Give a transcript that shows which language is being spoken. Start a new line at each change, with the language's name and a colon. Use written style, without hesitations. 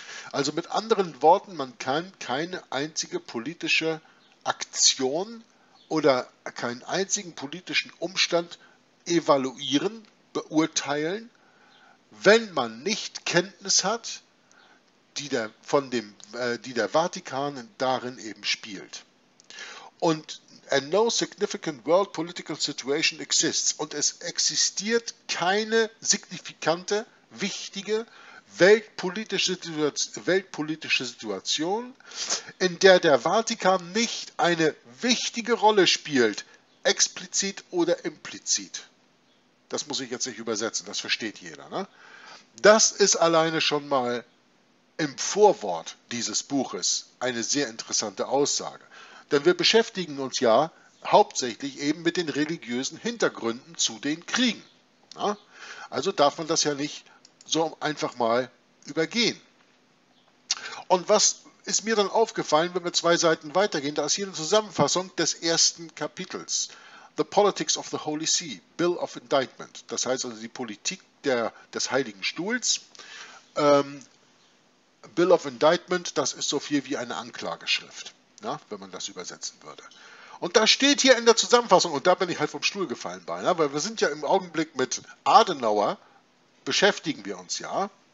German: Also mit anderen Worten, man kann keine einzige politische Aktion oder keinen einzigen politischen Umstand evaluieren, beurteilen, wenn man nicht Kenntnis hat, die der Vatikan darin eben spielt.
English: Und and no significant world political situation exists.
German: Und es existiert keine signifikante, wichtige weltpolitische Situation, in der der Vatikan nicht eine wichtige Rolle spielt, explizit oder implizit. Das muss ich jetzt nicht übersetzen, das versteht jeder, ne? Das ist alleine schon mal im Vorwort dieses Buches eine sehr interessante Aussage. Denn wir beschäftigen uns ja hauptsächlich eben mit den religiösen Hintergründen zu den Kriegen. Ja? Also darf man das ja nicht so einfach mal übergehen. Und was ist mir dann aufgefallen, wenn wir zwei Seiten weitergehen? Da ist hier eine Zusammenfassung des ersten Kapitels.
English: The Politics of the Holy See, Bill of Indictment.
German: Das heißt also die Politik des Heiligen Stuhls. Bill of Indictment, das ist so viel wie eine Anklageschrift. Na, wenn man das übersetzen würde. Und da steht hier in der Zusammenfassung, und da bin ich halt vom Stuhl gefallen beinahe, weil wir sind ja im Augenblick mit Adenauer, beschäftigen wir uns ja.